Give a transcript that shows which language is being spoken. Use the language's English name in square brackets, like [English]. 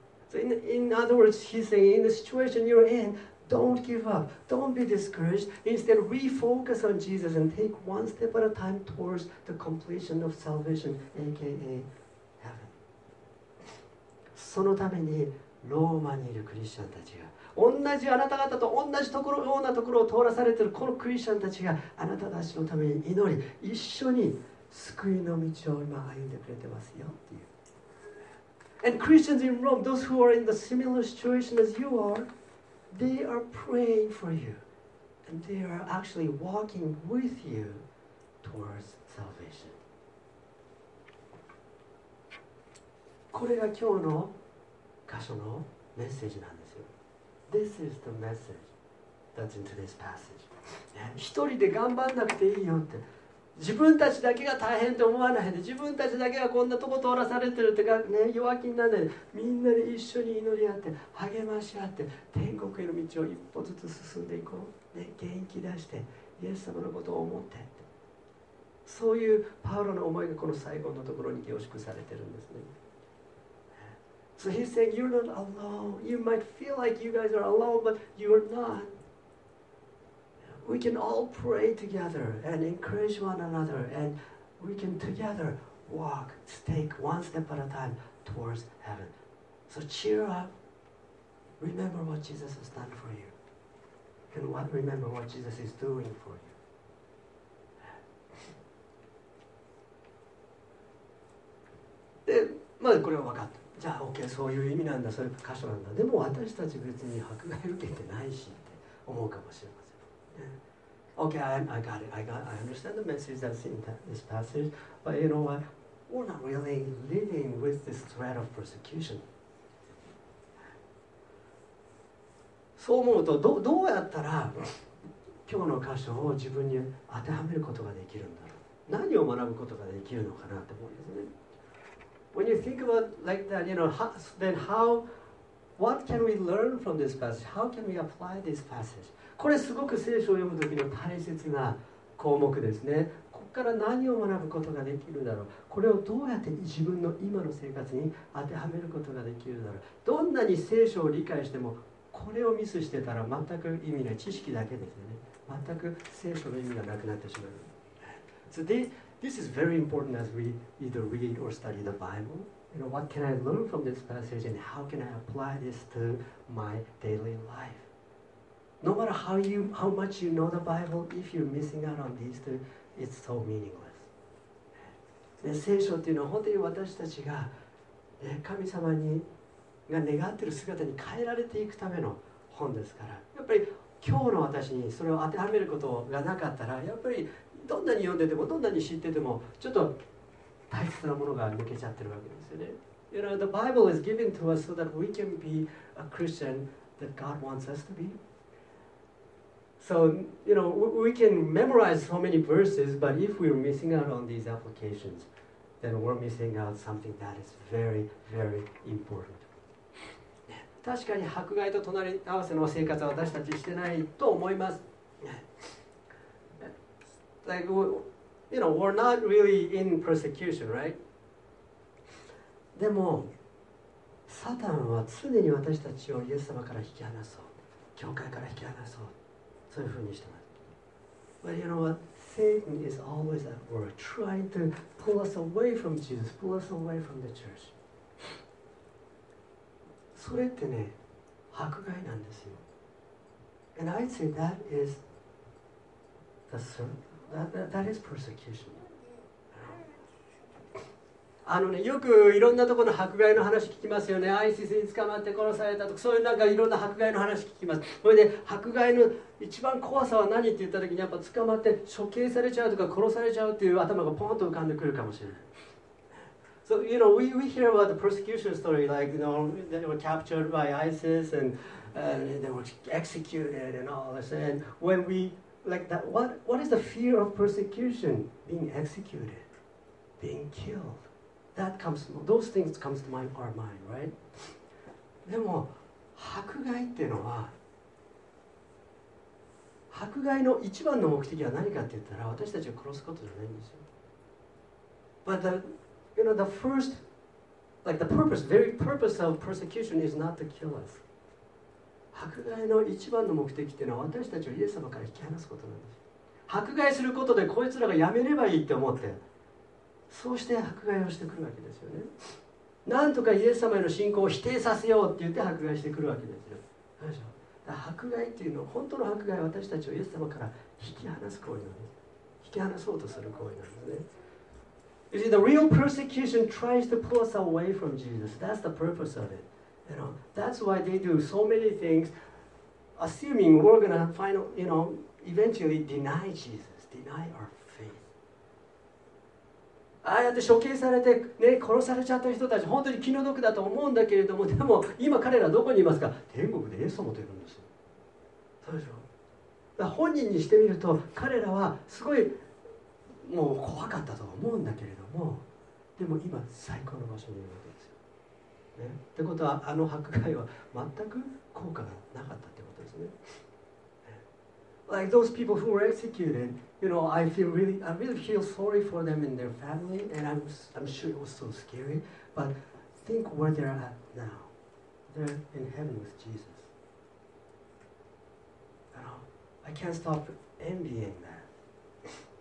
[English] So in other words, he's saying, in the situation you're in,Don't give up. Don't be discouraged. Instead, refocus on Jesus and take one step at a time towards the completion of salvation, aka heaven. [Japanese] そのためにローマにいるクリスチャンたちが、同じあなた方と同じところようなところを通らされているこのクリスチャンたちがあなたたちのために祈り、一緒に救いの道を今歩んでくれてますよっていう。 [English] And Christians in Rome, those who are in the similar situation as you are. They are praying for you, and they are actually walking with you towards salvation. [Japanese] これが今日の箇所のメッセージなんですよ。 [English] This is the message that's into this passage. [Japanese] 一人で頑張んなくていいよって、自分たちだけが大変と思わないで、自分たちだけがこんなとこ通らされてるってか、ね、弱気にならないで、みんなで一緒に祈り合って、励まし合って、天国への道を一歩ずつ進んでいこう、ね、元気出して、イエス様のことを思っ て、そういうパウロの思いがこの最後のところに凝縮されてるんですね。 [English] So he's saying, you're not alone. You might feel like you guys are alone, but you're not. We can all pray together and encourage one another, and we can together walk, take one step at a time towards heaven. So cheer up. Remember what Jesus has done for you. And remember what Jesus is doing for you. [Japanese] で、まあこれは分かった。じゃあ、OK、そういう意味なんだ、そういう箇所なんだ。でも私たち別に迫害受けてないしって思うかもしれません。 [English] Okay, I understand the message that's in this passage, but you know what? We're not really living with this threat of persecution. [Japanese] そう思うと、どうやったら今日の箇所を自分に当てはめることができるんだろう。何を学ぶことができるのかなって思うんですね。 [English] When you think about like that, you know, then how, what can we learn from this passage? How can we apply this passage? [Japanese] これすごく聖書を読むときの大切な項目ですね。ここから何を学ぶことができるだろう。これをどうやって自分の今の生活に当てはめることができるだろう。どんなに聖書を理解しても、これをミスしてたら全く意味ない。知識だけですよね。全く聖書の意味がなくなってしまう。 [English] So this is very important as we either read or study the Bible. You know, what can I learn from this passage and how can I apply this to my daily life? No matter how much you know the Bible, if you're missing out on these two, it's so meaningless. [Japanese] で、聖書っていうのは本当に私たちが、ね、神様にが願っている姿に変えられていくための本ですから、やっぱり今日の私にそれを当てはめることがなかったら、やっぱりどんなに読んでてもどんなに知っててもちょっと大切なものが抜けちゃってるわけですよね。 [English] You know, the Bible is given to us so that we can be a Christian that God wants us to be. So, you know, we can memorize so many verses, but if we're missing out on these applications, then we're missing out something that is very, very important. [Japanese] 確かに迫害と隣り合わせの生活は私たちしてないと思います。 [English] Like, you know, we're not really in persecution, right? [Japanese] でも、サタンは常に私たちをイエス様から引き離そう、教会から引き離そう、そういうふうにしてます。 [English] But you know what? Satan is always at work, trying to pull us away from Jesus, pull us away from the church. [Japanese] それってね、迫害なんですよ。 [English] And I'd say that is that is persecution. [Japanese] あのね、よくいろんなところの迫害の話聞きますよね。ISIS に捕まって殺されたとか、そういうなんかいろんな迫害の話聞きます。それで迫害の一番怖さは何って言った時に、やっぱ捕まって処刑されちゃうとか殺されちゃうっていう頭がポンと浮かんでくるかもしれない。 [English] So, you know, we hear about the persecution story, like, you know, they were captured by ISIS and they were executed and all this. And when we, like, that, what is the fear of persecution? Being executed, being killed. That comes, those things come to mind, our mind, right? [Japanese] でも、迫害っていうのは、迫害の一番の目的は何かって言ったら、私たちを殺すことじゃないんですよ。 [English] But the,You know, the first, like the purpose, the very purpose of persecution is not to kill us. [Japanese] 迫害の一番の目的っていうのは私たちをイエス様から引き離すことなんです。迫害することでこいつらがやめればいいって思って、そうして迫害をしてくるわけですよね。なんとかイエス様への信仰を否定させようって言って迫害してくるわけですよ。だから迫害っていうのは、本当の迫害は私たちをイエス様から引き離す行為なんです。引き離そうとする行為なんですね。 [English] You see, the real persecution tries to pull us away from Jesus. That's the purpose of it. You know, that's why they do so many things, assuming we're going to finally, you know, eventually deny Jesus, deny our faith. [Japanese] ああやって処刑されて、ね、殺されちゃった人たち、本当に気の毒だと思うんだけれども、でも今彼らどこにいますか？天国でイエス様といるんですよ。そうでしょう。だから本人にしてみると、彼らはすごい、もう怖かったと思うんだけれども、でも今最高の場所にいるわけですよ。ね、ってことはあの迫害は全く効果がなかったってことですね。 [English] Like those people who were executed, you know, I really feel sorry for them and their family, and I'm sure it was so scary. But think where they're at now. They're in heaven with Jesus. You know, I can't stop envying that.